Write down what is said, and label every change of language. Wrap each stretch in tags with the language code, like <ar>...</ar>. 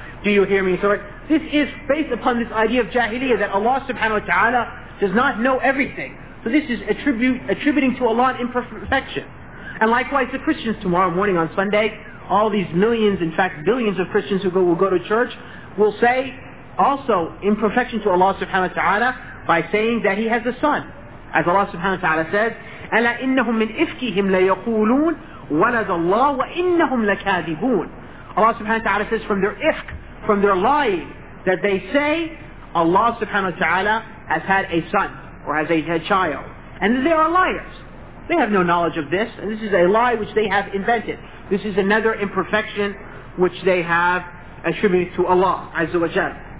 <en>Do you hear me? So this is based upon this idea of jahiliyyah, that Allah subhanahu wa ta'ala does not know everything. So this is attributing to Allah imperfection. And likewise, the Christians tomorrow morning on Sunday, all these millions, in fact billions of Christians who will go to church, will say also imperfection to Allah subhanahu wa ta'ala by saying that He has a son. As Allah subhanahu wa ta'ala says,</en> <ar>أَلَا إِنَّهُمْ مِنْ إِفْكِهِمْ لَيَقُولُونَ وَلَدَ اللَّهُ وَإِنَّهُمْ لَكَاذِبُونَ.</ar> <en>Allah subhanahu wa ta'ala says from their ifk, from their lying, that they say Allah subhanahu wa ta'ala has had a son or has a child. And they are liars. They have no knowledge of this. And this is a lie which they have invented. This is another imperfection which they have attributed to Allah Azza wa Jalla.</en>